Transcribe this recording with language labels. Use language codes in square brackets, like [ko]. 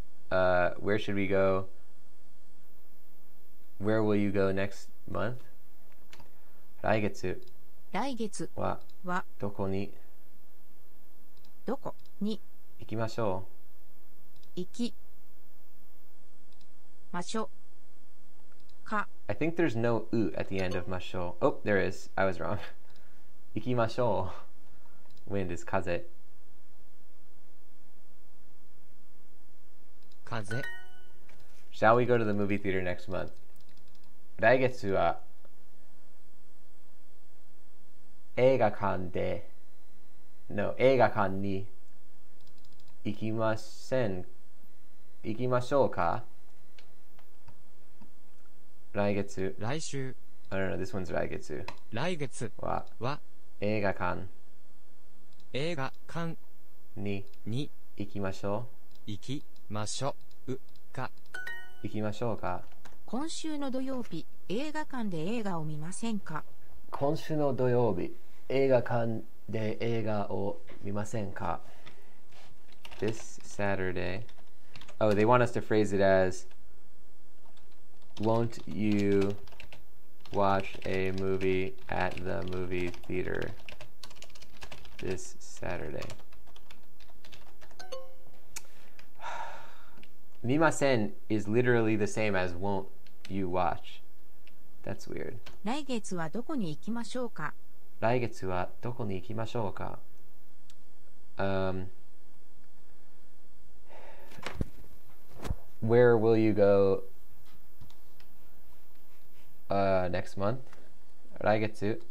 [en] Where should we go? Where will you go next month? [ja] 来月はどこに行きましょう？行きましょうか？ [en] I think there's no u at the end of ましょう。 Oh, there is. I was wrong. [ja] 行きましょう。 [en] Wind is kaze. [ja] Kaze. [en] Shall we go to the movie theater next month? [ja] 来月は映画館で No, 映画館に行きません行きましょうか来月来週 [en] I don't know, this one's 来月 [ja] 来月は映画館映画館にに行きましょう行きましょうか行きましょうか今週の土曜日映画館で映画を見ませんか今週の土曜日映画館で映画を見ませんか [en] This Saturday Oh, they want us to phrase it as Won't you watch a movie at the movie theaterThis Saturday. 見ません is literally the same as won't you watch. That's weird. [ja] 来月はどこに行きましょうか? 来月はどこに行きましょうか? [en] Where will you go next month? 来月